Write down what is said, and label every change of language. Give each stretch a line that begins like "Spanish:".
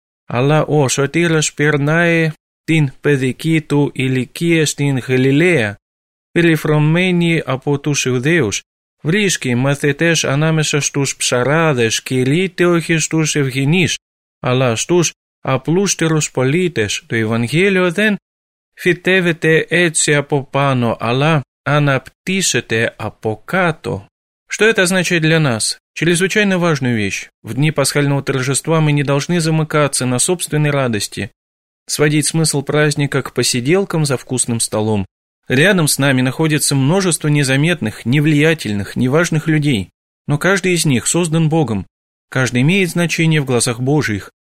Greek: алла о шотирош пернае тин педикиту иликиеш тин Галилея, перефроммени από τους Ιουδαίους, βρίσκει μαθητές ανάμεσα στους ψαράδες, κηρύττει όχι στους ευγενείς, αλλά στους απλούστερους πολίτες. Το Ευαγγέλιο δεν φυτεύεται έτσι από πάνω, αλλά αναπτύσσεται από κάτω.
Russian: Что это означает для нас? Чрезвычайно важную вещь. В дни пасхального торжества мы не должны замыкаться на собственной радости, сводить смысл праздника к посиделкам за вкусным столом. Рядом с нами находится множество незаметных, невлиятельных, неважных людей, но каждый из них создан Богом, каждый имеет значение в глазах Божиих.